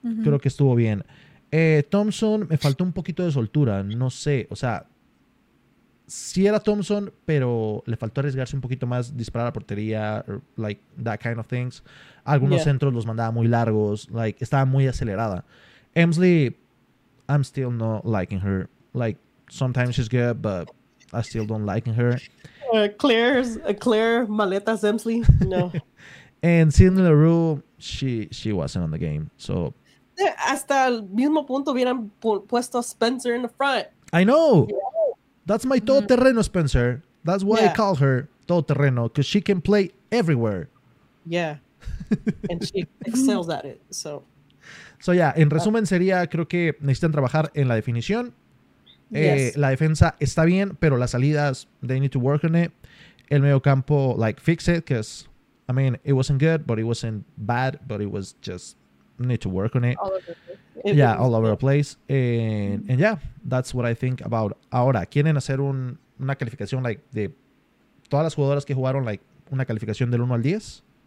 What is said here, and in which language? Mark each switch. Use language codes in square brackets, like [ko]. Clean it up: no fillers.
[es] Creo que estuvo bien. Thompson, me faltó un poquito de soltura. No sé, o sea... Sí era Thompson, pero le faltó arriesgarse un poquito más, disparar a la portería, [en] or, like, that kind of things. [es] Algunos centros los mandaba muy largos, like, estaba muy acelerada. [en] Emsley, I'm still not liking her. Like, sometimes she's good, but I still don't liking her. [es] Claire Maletas Emsley, no. [en] And Sydney LaRue, she wasn't on the game, so... [es] Hasta el mismo punto hubieran puesto Spencer [en] in the front. I know! Yeah. That's my [es] todo terreno, [en] Spencer. That's why I call her [es] todo terreno, [en] because she can play everywhere. Yeah. And she excels at it. So, [es] En resumen sería, creo que necesitan trabajar en la definición. La defensa está bien, pero las salidas, [en] they need to work on it. [es] El medio campo, [en] like, fix it, because, I mean, it wasn't good, but it wasn't bad, but it was just need to work on it. All over the place. And yeah, that's what I think about. [es] Ahora, ¿quieren hacer una calificación like de todas las jugadoras que jugaron, like una calificación del 1 al 10?